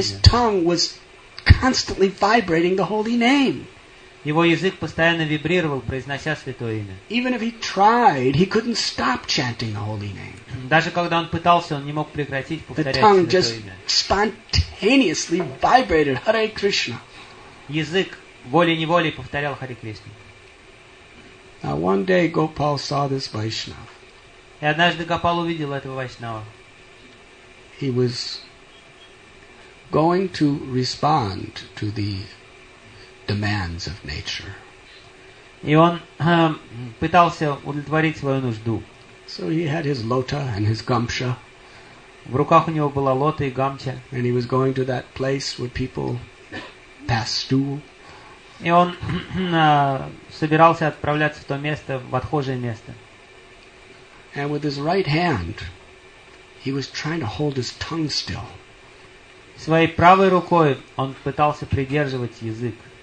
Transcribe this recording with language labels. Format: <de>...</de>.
<en>His tongue was constantly vibrating the holy name.</en> <ru>Его язык постоянно вибрировал, произнося святое имя.</ru> <en>Even if he tried, he couldn't stop chanting the holy name.</en> <ru>Даже когда он пытался, он не мог прекратить повторять святое имя.</ru> <en>The tongue just spontaneously vibrated Hare Krishna.</en> <ru>Язык волей-неволей повторял Харе Кришна.</ru> <en>Now one day Gopal saw this Vaishnava.</en> <ru>И однажды Гопал увидел этого Вайшнава.</ru> <en>He was going to respond to the demands of nature.</en> <ru>И он пытался удовлетворить свою нужду.</ru> <en>So he had his lota and his gamcha.</en> <ru>В руках у него была лота и гамча.</ru> <en>And he was going to that place where people pass stool.</en> <ru>И он собирался отправляться в то место, в отхожее место.</ru> <en>And with his right hand, he was trying to hold his tongue still.</en> <ru>Своей правой рукой он пытался придерживать язык.</ru>